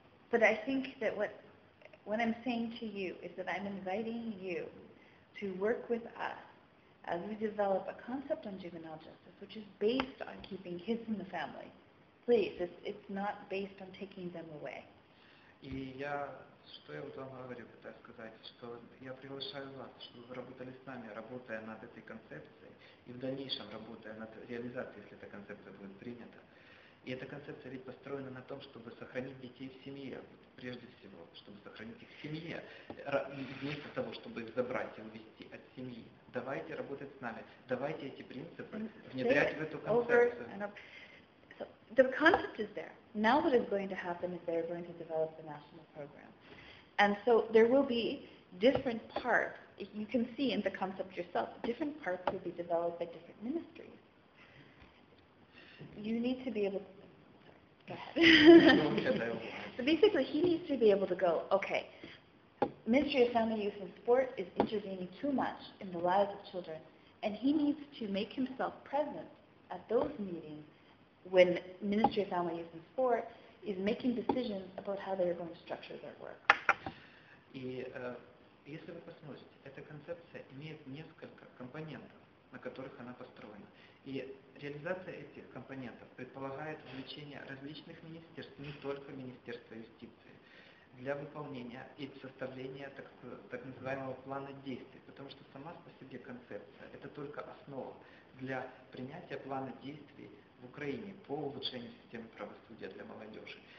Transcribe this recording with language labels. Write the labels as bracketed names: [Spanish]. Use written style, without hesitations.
[English] But I think that what I'm saying to you is that I'm inviting you to work with us as we develop a concept on juvenile justice which is based on keeping kids in the family. Please, it's not based on taking them away. [Russian] И я, что я вам говорю, пытаюсь сказать, что я приглашаю вас, чтобы вы работали с нами, работая над этой концепцией, и в дальнейшем работая над реализацией, если эта концепция будет принята. И эта концепция ведь построена на том, чтобы сохранить детей в семье, вот, прежде всего, чтобы сохранить их в семье, вместо того, чтобы их забрать и увезти от семьи. Давайте работать с нами, давайте эти принципы внедрять в эту концепцию. [English] The concept is there. Now what is going to happen is they're going to develop the national program. And so there will be different parts. You can see in the concept yourself, different parts will be developed by different ministries. You need to be able to... So basically, he needs to be able to go, okay, Ministry of Family, Youth and Sport is intervening too much in the lives of children, and he needs to make himself present at those meetings when Ministry of Family, Youth and Sport is making decisions about how they are going to structure their work. [Russian] И если вы посмотрите, эта концепция имеет несколько компонентов, на которых она построена. И реализация этих компонентов предполагает вовлечение различных министерств, не только Министерства юстиции, для выполнения и составления так называемого плана действий, потому что сама по себе концепция – это только основа для принятия плана действий в Украине по улучшению системы правосудия для молодежи.